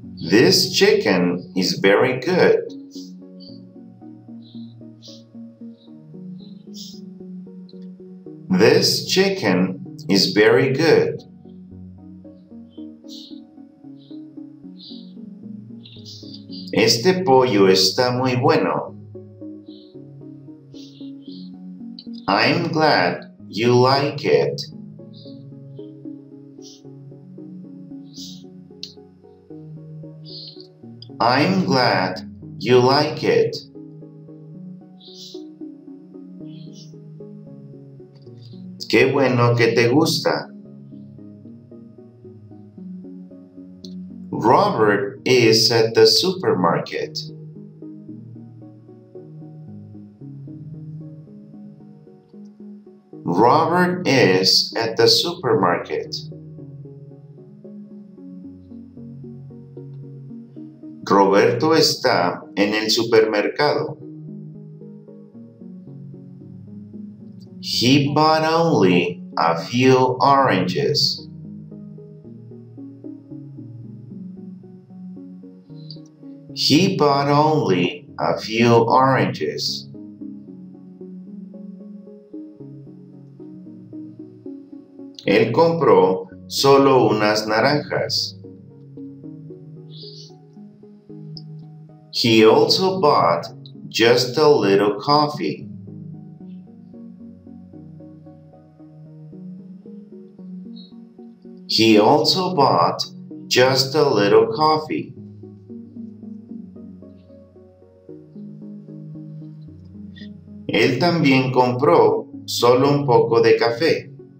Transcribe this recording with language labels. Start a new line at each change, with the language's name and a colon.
English: This chicken is very good. This chicken is very good.
Spanish: Este pollo está muy bueno.
English: I'm glad you like it. I'm glad you like it.
Spanish: Qué bueno que te gusta.
English: Robert is at the supermarket. Robert is at the supermarket.
Spanish: Roberto está en el supermercado.
English: He bought only a few oranges. He bought only a few oranges.
Spanish: Él compró solo unas naranjas.
English: He also bought just a little coffee. He also bought just a little coffee.
Spanish: Él también compró solo un poco de café.